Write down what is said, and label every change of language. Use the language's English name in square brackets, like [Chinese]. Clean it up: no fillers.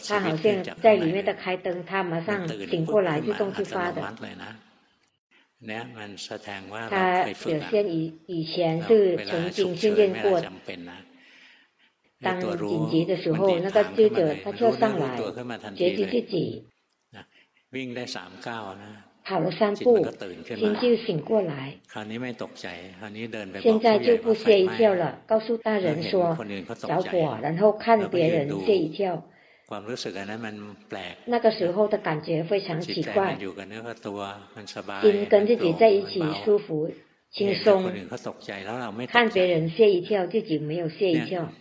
[Chinese] สวิตช์ 他好像在里面的开灯他马上醒过来就动去发的 [Thai] เนี่ยมันแสดงว่าเ ราเคยฝึกมา [Chinese] 以前是曾经训练过当紧急的时候那个智者他就上来觉知自己 [Thai] วิ่งได้3ก้าวนะ เขาสั้นปุ๊บ จิตมันก็ตื่ นขึ้ นมาคราวนี้ไม่ตกใจคราวนี้เดินไปบอกผู้ใหญ่ [Chinese] 现在就不歇一跳了告诉大人说着火然后看别人歇一跳 [Thai] ความรู้สึกอันนั้นมันแปลก [Chinese] 那个时候的感觉非常奇怪 [Thai] จิตมันอยู่กับเนื้อกับตัวมันสบาย [Chinese] 心跟自己在一起舒服轻松 [Thai] คนอื่นเขาตกใจแล้วเราไม่ [Chinese] 看别人歇一跳自己没有歇一跳